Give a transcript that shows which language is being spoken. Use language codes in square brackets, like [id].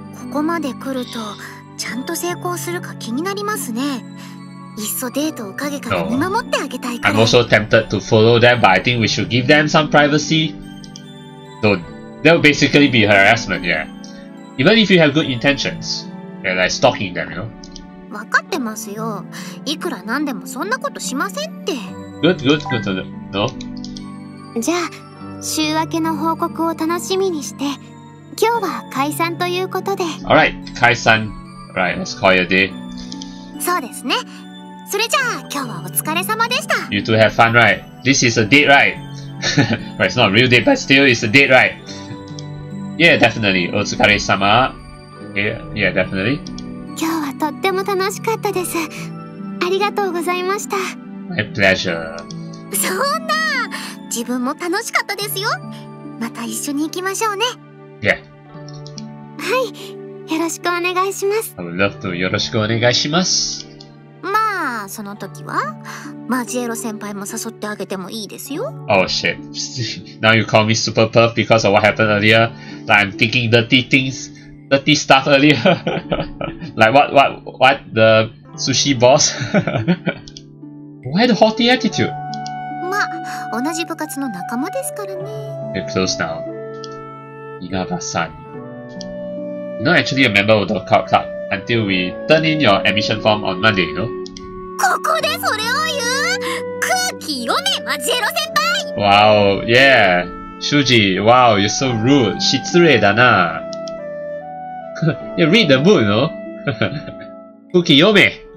[ja] ここまで来るとちゃんと成功するか気になりますね。いっそデートを陰から見守ってあげたいから。 [en] I'm also tempted to follow them, but I think we should give them some privacy. So that would basically be harassment, yeah. Even if you have good intentions, yeah, like stalking them, you know. [ja] 分かってますよ。いくらなんでもそんなことしませんって。 [en] Good. No. [ja] じゃあ、週明けの報告を楽しみにして、今日は解散ということで。 [en] All right, [ja] 解散。 [en] Right, let's call it a day. [ja] そうですね。それじゃあ、今日はお疲れ様でした。 [en] You two have fun, right? This is a date, right? Right, it's not a real date, but still it's a date, right? Yeah, definitely. [ja] Otsukare sama. [en] Yeah, definitely. [ja] 今日はとっても楽しかったです。ありがとうございました。 [en] My pleasure. [ja] そんな、自分も楽しかったですよ。また一緒に行きましょうね。 [en] Yeah. [ja] はい、よろしくお願いします。 [en] I would love to. [ja] よろしくお願いします。まあ、その時は、マジエロ先輩も誘ってあげてもいいですよ。 [en] Oh, shit. Now you call me super perp because of what happened earlier. Like, I'm thinking dirty things, dirty stuff earlier. Like what the sushi boss? Why the haughty attitude? [ja] ま、同じ部活の仲間ですからね。 [en] We're close now. Inaba-san. You're not actually a member of the cult club until we turn in your admission form on Monday, you know? [ja] ここでそれを言う!空気読め、マジエロ先輩! [en] Wow, yeah. Shuuji, wow, you're so rude. [ja] 失礼だな。 [en] You read the moon, no? [ja] Kuki yome.